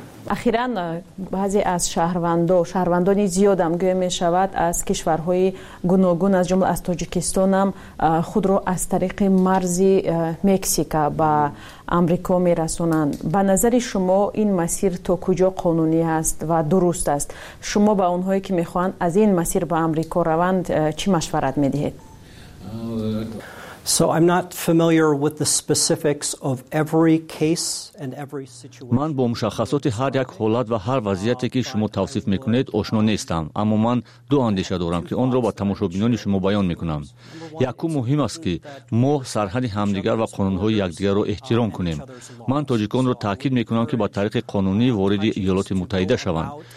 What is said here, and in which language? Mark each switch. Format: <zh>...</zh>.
<fa>اخیراً بعضی از شهروندان شهروندانی زیاد هم گویا می شود از کشورهای گوناگون از جمله از تاجیکستان هم خود را از طریق مرز مکزیکا با آمریکا می رسونند. به نظر شما این مسیر تا کجا قانونی است و درست است؟ شما به اونهایی که می خواهند از این مسیر به آمریکا روند چی مشورت می دهید؟</fa> <en>So I'm not familiar with the specifics of every case and every situation.</en> <fa>من با مشخصات هر یک حالت و هر وضعیتی که شما توصیف میکنید آشنا نیستم، اما من دو اندیشه دارم که اون را با تماشابینان شما بیان میکنم. یکی مهم است که ما سرحد همدیگر و قانونهای یکدیگر را احترام کنیم. من تاجیکان را تاکید میکنم که با طریق قانونی وارد ایالات متحده شوند.</fa>